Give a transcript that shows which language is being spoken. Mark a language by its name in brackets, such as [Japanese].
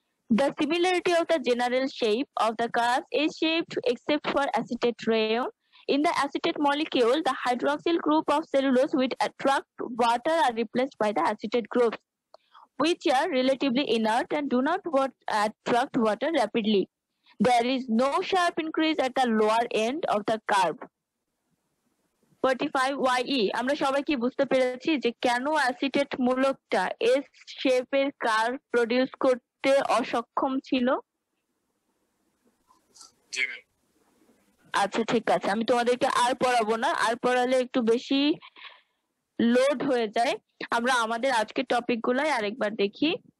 [English] The similarity of the general shape of the curve is shaped except for acetate rayon In the acetate molecule, the hydroxyl group of cellulose which attract water are replaced by the acetate groups, which are relatively inert and do not attract water rapidly. There is no sharp increase at the lower end of the curve. [Bangla] 45YE, আমরা সবাই কি বুঝতে পেরেছি যে কেন acetate মূলকটা S শেপের curve produce করতে অসক্ষম ছিল আচ্ছা ঠিক আছে আমি তোমাদেরকে আর পড়াবো না আর পড়ালে একটু বেশি লোড হয়ে যায় আমরা আমাদের আজকের টপিক গুলাই আরেকবার দেখি